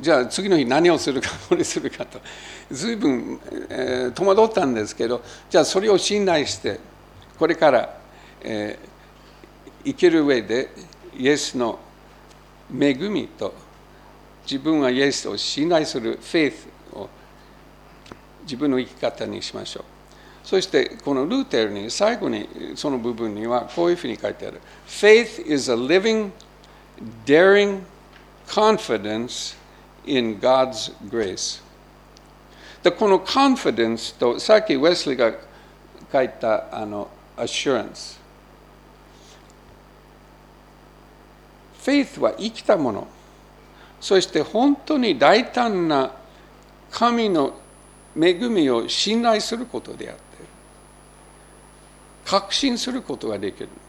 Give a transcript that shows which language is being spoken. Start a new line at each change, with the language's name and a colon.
Japanese: じゃあ次の日何をするか、これするかと随分、戸惑ったんですけど、じゃあそれを信頼してこれから、生きる上でイエスの恵みと自分はイエスを信頼するフェイスを自分の生き方にしましょう。そしてこのルーテルに最後にその部分にはこういうふうに書いてある。
English: Faith is a livingDaring confidence in God's grace.
Japanese: でこの confidence とさっきウェスリーが書いたassurance。 Faith は生きたもの。そして本当に大胆な神の恵みを信頼することであって、確信することができる。